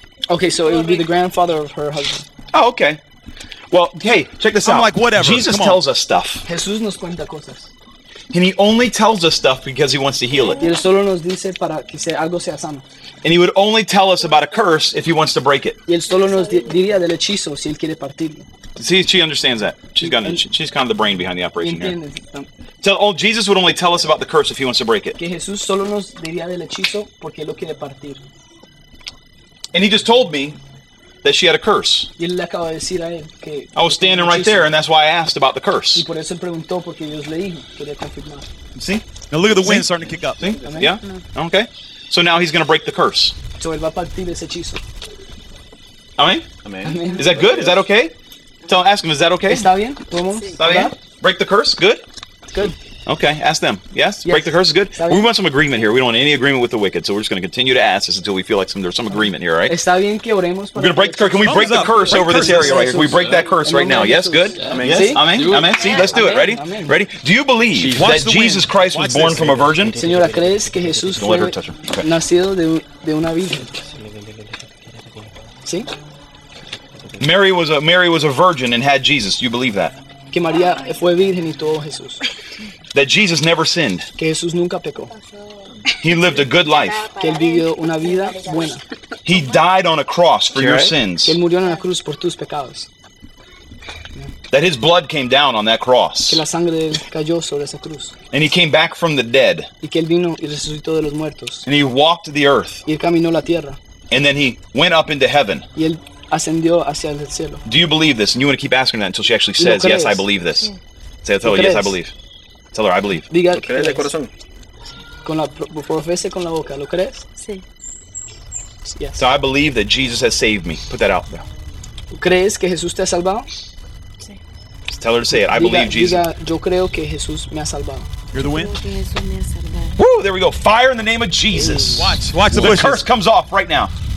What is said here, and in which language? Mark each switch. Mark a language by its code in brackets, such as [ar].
[en] Okay, so it would be the grandfather of her husband. Oh, okay. Well, hey, check this I'm I'm like, whatever. Jesus tells us stuff. [es] Jesús nos cuenta cosas. [en] And he only tells us stuff because he wants to heal it. [es] Y él solo nos dice para que algo sea sano. [en] And he would only tell us about a curse if he wants to break it. [es] Y él solo nos diría del hechizo si él quiere partirlo. [en] See, she understands that. She's kind of the brain behind the operation here. So, Jesus would only tell us about the curse if he wants to break it. [es] Que Jesús solo nos diría del hechizo porque él lo quiere partir. [en] And he just told me that she had a curse. [es] Y él le acaba de decir a él que [en] I was standing right there, and that's why I asked about the curse. [es] Y por eso preguntó porque Dios le dijo, quería confirmar. [en] See? Now look at the wind starting to kick up. See? Yeah? No. Okay. So now he's going to break the curse. So [es] él va a partir ese hechizo. [en] Amen? Amen. Is that good? Is that okay? Ask him, is that okay? [es] Está bien. ¿Podemos? Está bien. [en] Break the curse? Good? Good. Okay, ask them. Yes? Break the curse is good? We want some agreement here. We don't want any agreement with the wicked, so we're just going to continue to ask this until we feel like there's some agreement here, right? [es] Está bien que oremos [en] we're going to break the curse. Can we break the curse break over curse this area right here? Can we break that curse right now? Yes, good? Yeah. Yes? Amen? Yes? Amen? See, let's do it. Ready? Amen. Ready? Do you believe that Jesus Christ was born from a virgin? [es] Señora, ¿crees que Jesús fue nacido de una virgen? ¿Sí? [en] Mary was a virgin and had Jesus. You believe that? [es] Que María fue virgen y tuvo Jesús. [en] That Jesus never sinned. [es] Que Jesús nunca pecó. [en] He lived a good life. [es] Que él vivió una vida buena. [en] He died on a cross for your sins. [es] Que él murió en la cruz por tus pecados. [en] That his blood came down on that cross. [es] Que la sangre de él cayó sobre esa cruz. [en] And he came back from the dead. [es] Y que él vino y resucitó de los muertos. [en] And he walked the earth. [es] Y él caminó la tierra. [en] And then he went up into heaven. [es] Y él ascendió hacia el cielo. [en] Do you believe this? And you want to keep asking that until she actually says, yes, I believe this. Say, tell her, yes, I believe. Tell her, I believe. [es] Diga, ¿lo crees de corazón? Con la profese con la boca, ¿lo crees? Sí. [en] Yes. So I believe that Jesus has saved me. Put that out there. [es] ¿Crees que Jesús te ha salvado? Sí. [en] Tell her to say it. I believe Jesus. [es] Diga, yo creo que Jesús me ha salvado. [en] You're the wind? Woo, there we go. Fire in the name of Jesus. Ooh. Watch the bushes. Curse comes off right now.